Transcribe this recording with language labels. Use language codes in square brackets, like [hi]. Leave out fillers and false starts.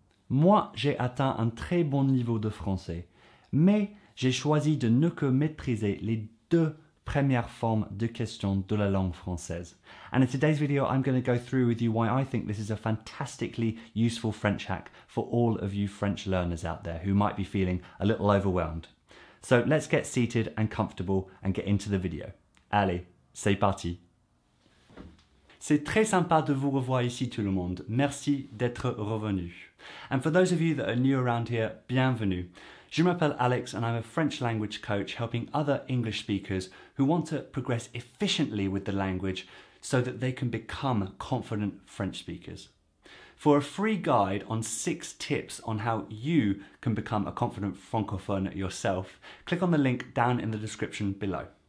[fr] Moi, j'ai atteint un très bon niveau de français, mais j'ai choisi de ne que maîtriser les deux premières formes de questions de la langue française. [en] And in today's video, I'm going to go through with you why I think this is a fantastically useful French hack for all of you French learners out there who might be feeling a little overwhelmed. So let's get seated and comfortable and get into the video. [fr] Allez, c'est parti! C'est très sympa de vous revoir ici tout le monde. Merci d'être revenu. [en] And for those of you that are new around here, [fr] bienvenue. Je m'appelle [en] Alex and I'm a French language coach helping other English speakers who want to progress efficiently with the language so that they can become confident French speakers. For a free guide on 6 tips on how you can become a confident francophone yourself, click on the link down in the description below.